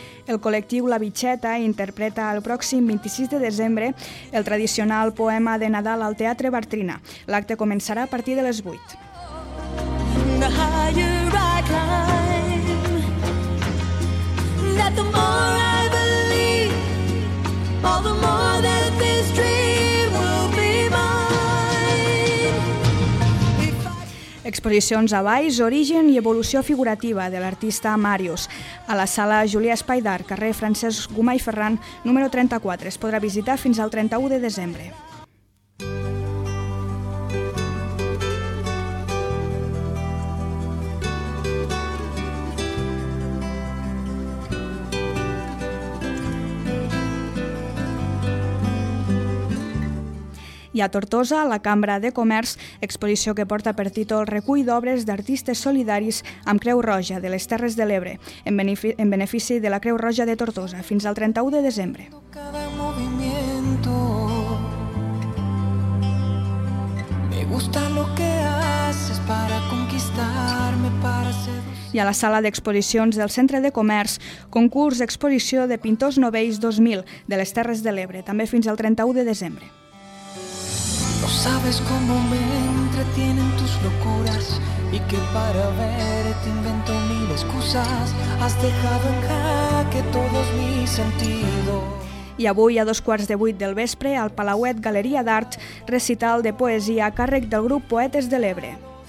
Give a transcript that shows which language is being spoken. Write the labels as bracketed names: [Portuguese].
[Catalan] El col·lectiu La Bitxeta interpreta el pròxim 26 de desembre el tradicional poema de Nadal al Teatre Bartrina. L'acte començarà a partir de les 8. [English] The higher I climb, that the more I believe, all the more that this dream will be mine. [Catalan] Exposicions a baix, origen i evolució figurativa de l'artista Màrius. A la sala Julià Espai d'Art, carrer Francesc Gomà i Ferran, número 34. Es podrà visitar fins al 31 de desembre. I a Tortosa, la Cambra de Comerç, exposició que porta per títol Recull d'obres d'artistes solidaris amb Creu Roja de les Terres de l'Ebre, en benefici de la Creu Roja de Tortosa, fins al 31 de desembre. [Spanish] Cada movimiento me gusta lo que haces para conquistarme, para ser... [Catalan] I a la sala d'exposicions del Centre de Comerç, concurs exposició de pintors novells 2000 de les Terres de l'Ebre, també fins al 31 de desembre. [Spanish] No sabes cómo me entretienen tus locuras, y que para verte invento mil excusas. Has dejado en jaque todos mis sentidos. [Catalan] I avui, a 8:45 del vespre, al Palauet Galeria d'Art, recital de poesia a càrrec del grup Poetes de l'Ebre.